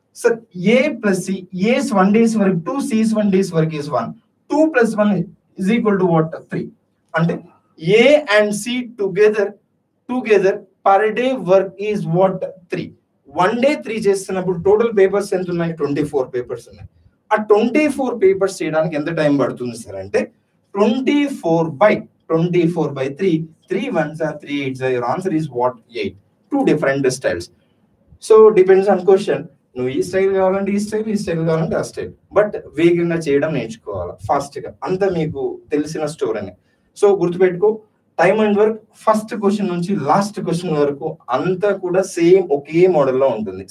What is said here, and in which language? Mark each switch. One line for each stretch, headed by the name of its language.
English: Sir A plus C A's one day's work two, C's one day's work is one, two plus one is equal to what three. అంటే A and C together together per day work is what three.
Telugu: One day three చేస్తున్నప్పుడు total papers ఎంత ఉన్నాయి? 24 papers ఉన్నాయి. ఆ 24 papers చేయడానికి ఎంత time పడుతుంది sir?
English: అంటే 24 by 3, 3 ones are 3 8s, your answer is what? 8. Two different styles. So depends on question.
Telugu: నువ్వు ఈ స్టైల్ కావాలంటే ఈ స్టైల్, ఈ స్టైల్ కావాలంటే ఆ స్టైల్, బట్ వేగంగా చేయడం నేర్చుకోవాలి, ఫాస్ట్గా. అంత మీకు తెలిసిన స్టోరీనే. సో గుర్తుపెట్టుకో, time and work first question నుంచి లాస్ట్ క్వశ్చన్ వరకు అంతా కూడా సేమ్, ఒకే మోడల్లో ఉంటుంది.